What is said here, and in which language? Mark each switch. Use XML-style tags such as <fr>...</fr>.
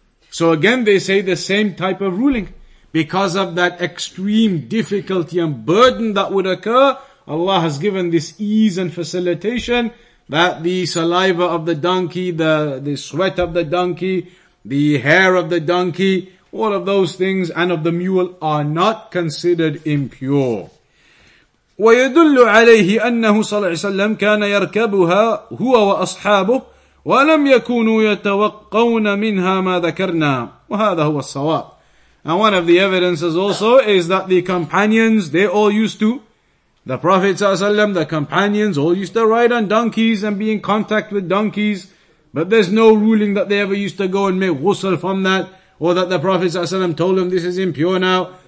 <en>So again, they say the same type of ruling. Because of that extreme difficulty and burden that would occur, Allah has given this ease and facilitation that the saliva of the donkey, the sweat of the donkey, the hair of the donkey, all of those things and of the mule are not considered impure.</en> <ar>ويدل عليه أنه صلى الله عليه وسلم كان يركبها هو وأصحابه ولم يكونوا يتوقون منها ما ذكرنا وهذا هو الصواب.</ar> <en>And one of the evidences also is that the companions, they all used to, the Prophet صلى الله عليه وسلم, the companions all used to ride on donkeys and be in contact with donkeys, but there's no ruling that they ever used to go and make ghusl from that, or that the Prophet صلى الله عليه وسلم told them this is impure now.</en>